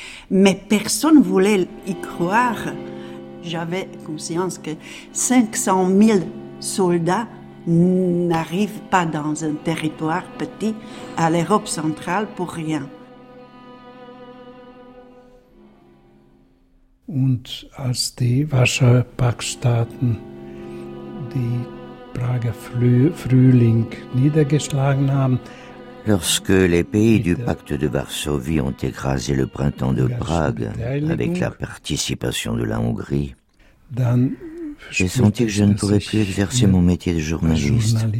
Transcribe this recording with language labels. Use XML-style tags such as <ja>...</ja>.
<fr>Mais personne ne voulait y croire. J'avais conscience que 500 000 soldats n'arrivent pas dans un territoire petit à l'Europe centrale pour rien.</fr> <de>Und als die Warschau-Paktstaaten die Prager Frühling niedergeschlagen haben,</de> <fr>lorsque les pays du pacte de Varsovie ont écrasé le printemps de Prague avec la participation de la Hongrie, j'ai senti que je ne pourrais plus exercer mon métier de journaliste.</fr>